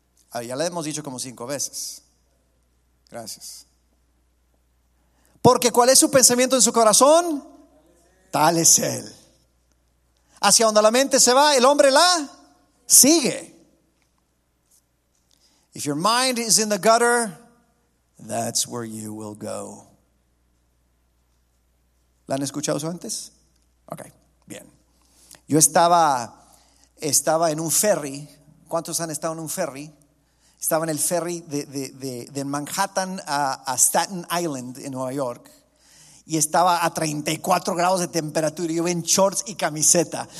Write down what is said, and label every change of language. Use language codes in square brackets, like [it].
[es] Ah, ya le hemos dicho como 5 veces. Gracias. Porque ¿cuál es su pensamiento en su corazón? Tal es él. Hacia donde la mente se va, el hombre la sigue. [en] If your mind is in the gutter, that's where you will go. [es] ¿La han escuchado eso antes? Ok, bien. Yo estaba en un ferry. ¿Cuántos han estado en un ferry? Estaba en el ferry de Manhattan a Staten Island en Nueva York. Y estaba a 34 grados de temperatura. Yo en shorts y camiseta.